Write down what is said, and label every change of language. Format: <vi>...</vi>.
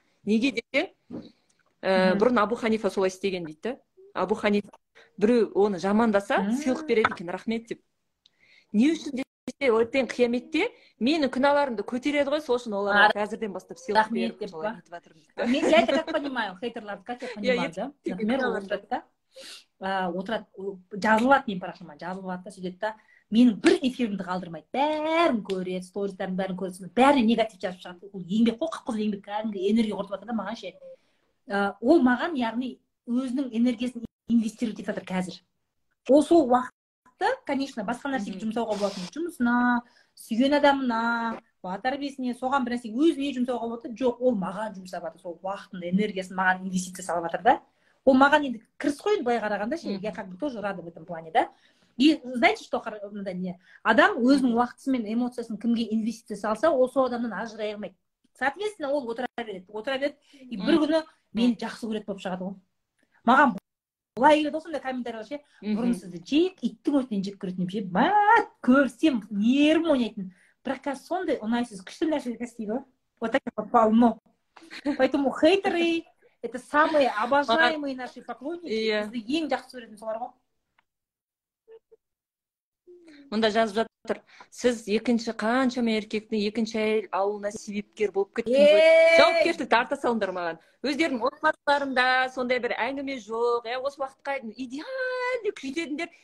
<kk>Неге десең, бұрын Абу Ханифа солай істеген дейді да. Абу Ханифа біреу оны жамандаса сыйлық береді екен рахмет деп. Не үшін десе, ертең қияметте менің күнәларымды көтереді ғой, сол үшін оларға қазірден бастап сыйлық беріп деп солай айтып жатырмын.</kk> <ru>Мен я так понимаю, хейтерлерді как я понимаю, да?</ru> <kk>Например, отырады, жазылады менің парақшама, жазылады да, сөйтеді да. Менің бір эфирімді қалдырмайды. Бәрін көреді, стористерін бәрін көреді. Бәрі негатив жазып шығады. Ол еңбек қой, қып-қызыл еңбек, кәдімгі энергия құртып жатыр да маған ше. Ол маған, яғни, өзінің энергиясын инвестиру деп жатыр қазір. Ол сол уақытты, конечно, басқа нәрсеге жұмсауға болатын. Жұмысына, сүйген адамына, бала тәрбиесіне, соған бір нәрсеге өзіне жұмсауға болады. Жоқ, ол маған жұмсап жатыр. Сол уақытында энергиясын маған инвестиция салып жатыр да. Ол маған енді кіріс қой, былай қарағанда ше,</kk> <ru>я как бы тоже рада в этом плане,</ru> <kk>да.</kk> <ru>И знаете, что надо не?</ru> <kk>Адам өзінің уақытысы мен эмоциясын кімге инвестиция салса, ол сол адамнан ажырай алмайды. Соответственно, ол отыра береді. Отыра береді. И бір күні мені жақсы көреді болып шығады ол. Маған былай келеді осындай комментарийлер ше, бұрын сізді жек, иттің өтінен жек көретін деп ше, мәт, көрсем, нерім ойнайтын. Бірақ қазір сондай ұнайсыз күшті нәрселер істейді ғой.</kk> <ru>Вот так вот полно. Поэтому хейтеры это самые обожаемые наши поклонники.</ru> <kk>Бізді ең жақсы көретін солар ғой. Мұнда жазып жатыр. Сіз екінші қаншама еркектің екінші әйел алуына себепкер болып кеттіңіз. Жауапкерді тарта салыңдар маған. Өздерің отбасыларында сондай бір әңгіме жоқ, осы уақытқа идеалды күйдедіңдер.</kk>